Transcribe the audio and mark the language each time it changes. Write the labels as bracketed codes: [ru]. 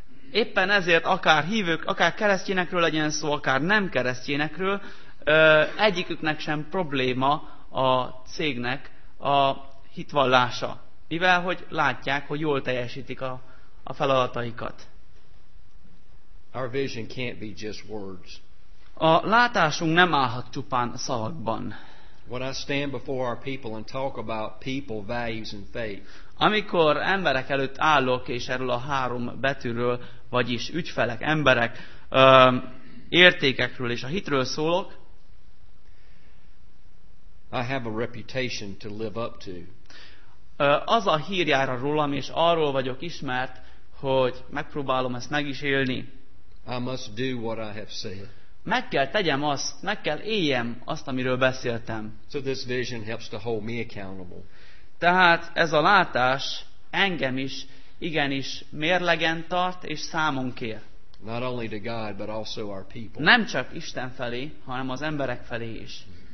[hu] Éppen ezért akár hívők, akár keresztényekről legyen szó, akár nem keresztényekről, egyiküknek sem probléma a cégnek a hitvallása, mivel hogy látják, hogy jól teljesítik a feladataikat. [en] Our vision can't be just words. [hu] A látásunk nem állhat csupán szavakban. [en] When I stand before our people and talk about people, values and faith. [hu] Amikor emberek előtt állok, és erről a három betűről, vagyis ügyfelek, emberek, értékekről és a hitről szólok, [en] I have a reputation to live up to. [hu] Az a hír jár a rólam, és arról vagyok ismert, hogy megpróbálom ezt meg is élni. [en] I must do what I have said. [hu] Meg kell tegyem azt, meg kell éljem azt, amiről beszéltem. [en] So this vision helps to hold me accountable. [hu] Tehát ez a látás engem is igenis mérlegen tart és számon kér. [en] Not only to God, but also our people. [hu] Nem csak Isten felé, hanem az emberek felé is.